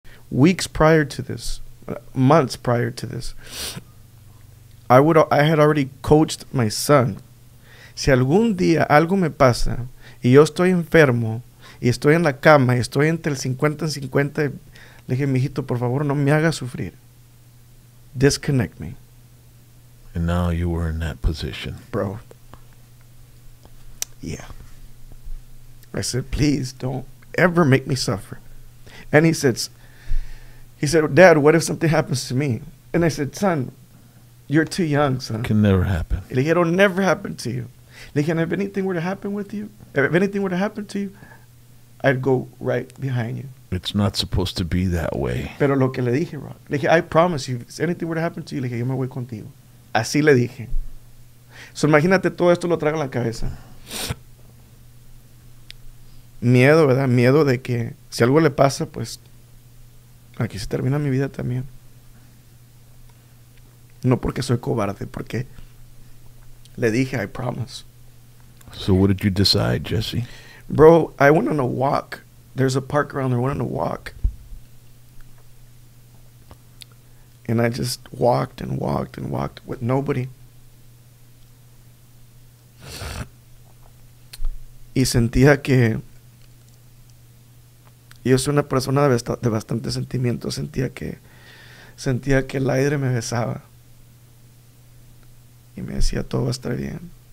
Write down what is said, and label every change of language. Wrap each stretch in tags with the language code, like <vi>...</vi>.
<en>weeks prior to this, months prior to this, I had already coached my son.</en> <es>Si algún día algo me pasa y yo estoy enfermo y estoy en la cama y estoy entre el 50 y 50, le dije, mijito, por favor, no me haga sufrir.</es> <en>Disconnect me. And now you were in that position. Bro. Yeah. I said, please don't ever make me suffer. And he said, Dad, what if something happens to me? And I said, son, you're too young, son. It can never happen. Le dije, it'll never happen to you. Le dije, and if anything were to happen with you, if anything were to happen to you, I'd go right behind you. It's not supposed to be that way.</en> <es>Pero lo que le dije, Rock.</es> <en>Le dije, I promise you, if anything were to happen to you, le dije, yo me voy contigo.</en> <es>Así le dije. So imagínate, todo esto lo traigo en la cabeza. Miedo, ¿verdad? Miedo de que si algo le pasa, pues aquí se termina mi vida también. No porque soy cobarde, porque le dije, I promise.</es> <en>So what did you decide, Jesse? Bro, I went on a walk. There's a park around there. I went on a walk. And I just walked and walked and walked with nobody.</en> <es>Y sentía que yo soy una persona de bastante sentimiento. Sentía que el aire me besaba. Y me decía, todo va a estar bien.</es>